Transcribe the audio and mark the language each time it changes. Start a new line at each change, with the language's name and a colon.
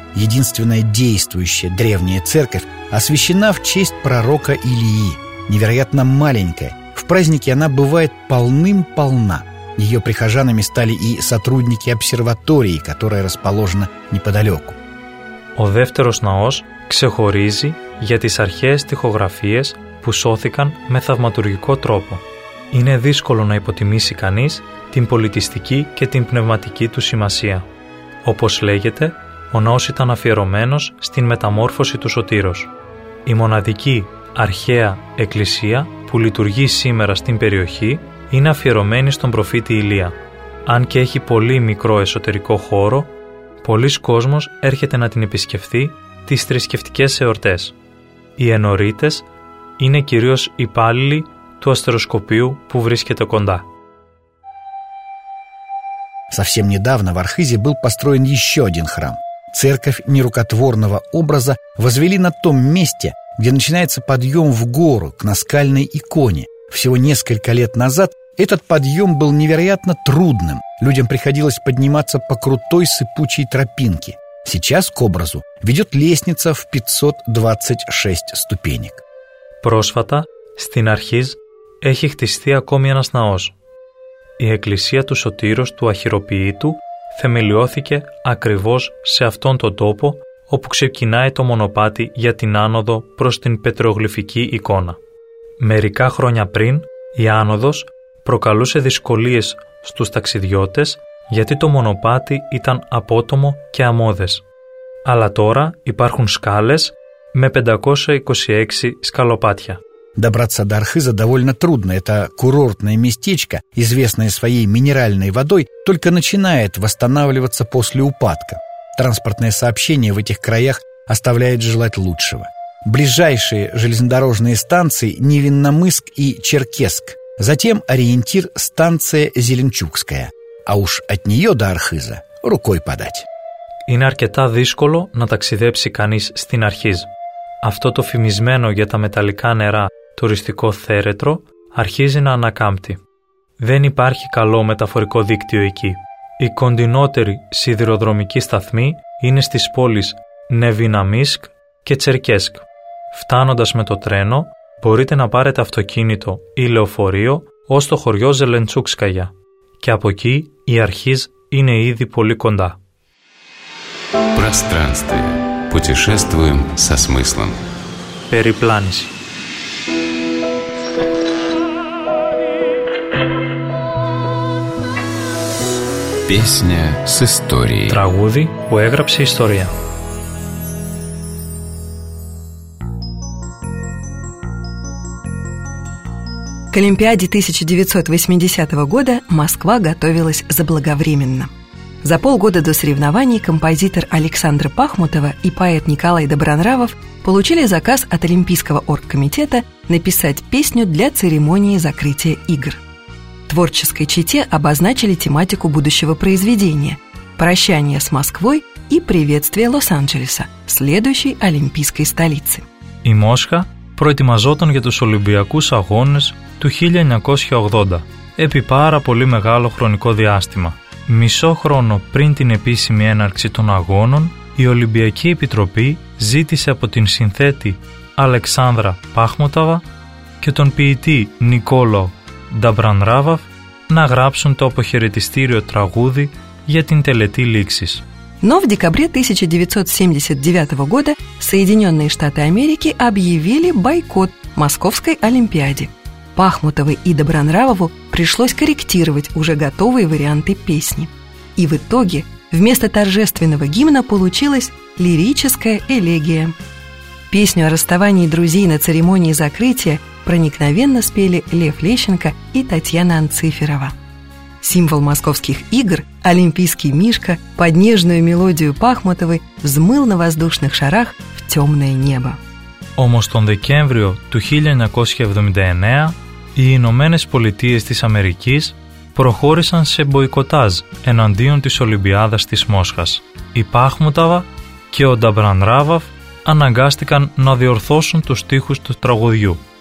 Russian: Единственная действующая древняя церковь освящена в честь пророка Илии. Невероятно маленькая, в праздники она бывает полным-полна. Ее прихожанами стали и сотрудники обсерватории, которая расположена неподалеку.
Greek: Ο δεύτερος ναός ξεχωρίζει για τις αρχαίες τοιχογραφίες που σώθηκαν με θαυματουργικό τρόπο. Είναι δύσκολο να υποτιμήσει κανείς την πολιτιστική και την πνευματική του σημασία. Όπως λέγεται, ο ναός ήταν αφιερωμένος στην μεταμόρφωση του Σωτήρος. Η μοναδική αρχαία εκκλησία που λειτουργεί σήμερα στην περιοχή είναι αφιερωμένη στον προφήτη Ηλία. Αν και έχει πολύ μικρό εσωτερικό χώρο, πολλοί κόσμος έρχεται να την επισκεφθεί τις θρησκευτικές εορτές. Οι ενορίτες είναι κυρίως υπάλληλοι του αστεροσκοπείου που βρίσκεται κοντά.
Russian: Совсем недавно в Архизе был построен еще один храм. Церковь нерукотворного образа возвели на том месте, где начинается подъем в гору к наскальной иконе. Всего несколько лет назад этот подъем был невероятно трудным. Людям приходилось подниматься по крутой сыпучей тропинке. Сейчас к образу ведет лестница в 526 ступенек.
Greek: Πρόσφατα στην Αρχής έχει χτιστεί ακόμη ένας ναός. Η εκκλησία του Σωτήρος του Αχυροποιήτου θεμελιώθηκε ακριβώς σε αυτόν τον τόπο όπου ξεκινάει το μονοπάτι για την άνοδο προς την πετρογλυφική εικόνα. Μερικά χρόνια πριν, η άνοδος προκαλούσε δυσκολίες στους ταξιδιώτες γιατί το μονοπάτι ήταν απότομο και αμμώδες. Αλλά τώρα υπάρχουν σκάλες με 526 σκαλοπάτια.
Russian: Добраться до Архиза довольно трудно. Это курортное местечко, известное своей минеральной водой, только начинает восстанавливаться после упадка. Транспортное сообщение в этих краях оставляет желать лучшего. Ближайшие железнодорожные станции – Невинномысск и Черкесск. Затем ориентир – станция Зеленчукская. А уж от нее до Архиза рукой подать.
Greek: Είναι αρκετά δύσκολο να ταξιδέψει κανείς στην Αρχίζ. Αυτό το φημισμένο για τα μεταλλικά νερά τουριστικό θέρετρο αρχίζει να ανακάμπτει. Δεν υπάρχει καλό μεταφορικό δίκτυο εκεί. Η κοντινότερη σιδηροδρομική σταθμή είναι στις πόλεις Νεβιναμίσκ και Τσερκέσκ. Φτάνοντας με το τρένο, μπορείτε να πάρετε αυτοκίνητο ή λεωφορείο ως το χωριό Ζελεντσούκσκαγια. Και από εκεί η Αρχίζ είναι ήδη πολύ κοντά.
Russian: Пространствие. Путешествуем со смыслом.
Greek: Перепланиси.
Russian: Песня с историей.
Greek: Трагуди, уэграпси история.
Russian: К Олимпиаде 1980 года Москва готовилась заблаговременно. За полгода до соревнований композитор Александра Пахмутова и поэт Николай Добронравов получили заказ от Олимпийского оргкомитета написать песню для церемонии закрытия игр. Творческой чете обозначили тематику будущего произведения – прощание с Москвой и приветствие Лос-Анджелеса, следующей олимпийской столицы.
Greek: Η Μόσχα προετοιμαζόταν για τους Ολυμπιακούς Αγώνες του 1980, επί πάρα πολύ μεγάλο χρονικό διάστημα. Μισό χρόνο πριν την επίσημη έναρξη των αγώνων, η Ολυμπιακή Επιτροπή ζήτησε από την συνθέτη Αλεξάνδρα Πάχμουταβα και τον ποιητή Νικόλο Νταμπρανράβαφ να γράψουν το αποχαιρετιστήριο τραγούδι για την τελετή λήξης.
Russian: Но в декабре 1979 года Соединенные Штаты Америки объявили бойкот Московской Олимпиаде. Пахмутовой и Добронравову пришлось корректировать уже готовые варианты песни. И в итоге вместо торжественного гимна получилась лирическая элегия. Песню о расставании друзей на церемонии закрытия проникновенно спели Лев Лещенко и Татьяна Анциферова. Символ московских игр, олимпийский мишка, под нежную мелодию Пахмутовой взмыл на воздушных шарах в темное небо.
Greek: Όμως τον Δεκέμβριο του 1979 οι Ηνωμένες Πολιτείες της Αμερικής προχώρησαν σε μποϊκοτάζ εναντίον της Ολυμπιάδας της Μόσχας. Η Πάχμουταβα και ο Νταμπρανράβαφ αναγκάστηκαν να διορθώσουν τους στίχους του τραγουδιού.